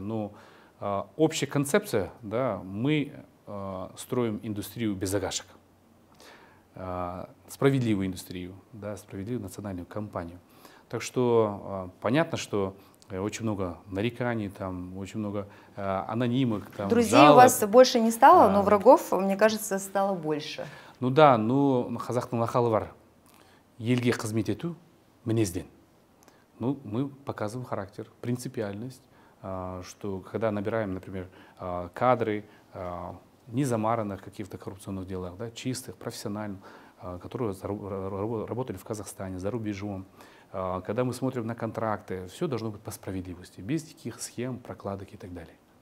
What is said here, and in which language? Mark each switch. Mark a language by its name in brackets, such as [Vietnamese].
[Russian] Но общая концепция, да, мы строим индустрию без загашек, справедливую индустрию, да, справедливую национальную компанию. Так что понятно, что очень много нареканий, там, очень много анонимок. Там, друзей жалоб. У вас больше не стало, но врагов, мне кажется, стало больше. [Kazakh] Ну да, ну, қазақтың нақалы бар. Елге қызмет ету мінезден. [Russian] Ну, мы показываем характер, принципиальность, что когда набираем, например, кадры незамаранных каких-то коррупционных делах, да, чистых, профессиональных, которые работали в Казахстане, за рубежом, когда мы смотрим на контракты, все должно быть по справедливости, без таких схем, прокладок и так далее.